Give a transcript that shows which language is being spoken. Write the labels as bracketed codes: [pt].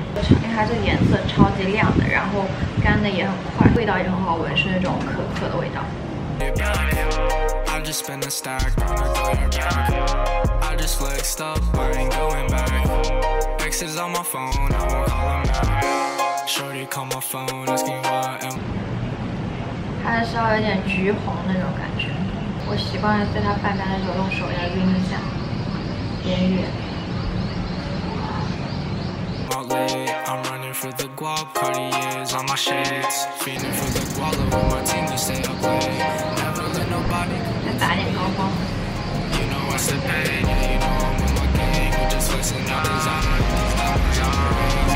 [zh] 因为它这个颜色超级亮的，然后干的也很快，味道也很好闻，是那种可可的味道。 [en] I just spent a stack, I'ma go your back. I just flexed up, I ain't going back. X's on my phone, I won't call them back. Shorty call my phone, asking why am. [zh] 它的稍微有点橘红那种感觉，我习惯在它泛干的时候用手来晕一下，点点。 [en] I'm running for the guap, Cartier's on my shades. Feeling for the guala with my team, we stay up late. Never let nobody. [zh] 再打点高光。 [en] You know I stay paid, yeah, you know I'm with my gang. We just flexing our designer, these diamonds on my rings.